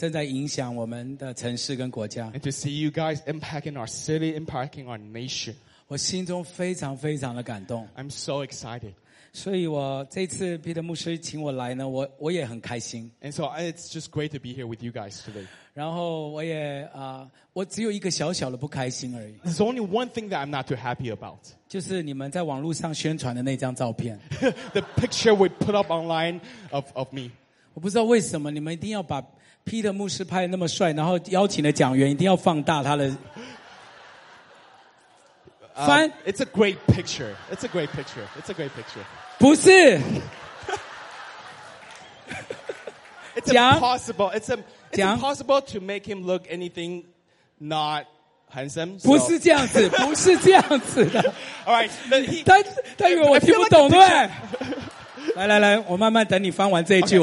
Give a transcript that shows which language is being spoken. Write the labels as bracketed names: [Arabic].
[Chinese] 而且看到你们的增长，还有你们正在影响我们的城市跟国家。 [English] And to see you guys impacting our city, impacting our nation. [Chinese] 我心中非常非常的感动。 [English] I'm so excited. [Chinese] 所以我这次Peter牧师请我来呢，我也很开心。 [English] And so it's just great to be here with you guys today. [Chinese] 然后我只有一个小小的不开心而已。 [English] There's only one thing that I'm not too happy about. [Chinese] 就是你们在网络上宣传的那张照片。 [English] The picture we put up online of me. [Chinese] 我不知道为什么你们一定要把Peter牧师拍得那么帅，然后邀请的讲员一定要放大他的。 [English] It's a great picture. It's a great picture. It's a great picture. [Chinese] 不是. [English] It's impossible. It's impossible to make him look anything not handsome. So. [Chinese] 不是这样子, 不是这样子的. [English] All right. [Chinese] He, 他以为我听不懂，对不对？Like 来来来, 我慢慢等你翻完这一句, okay.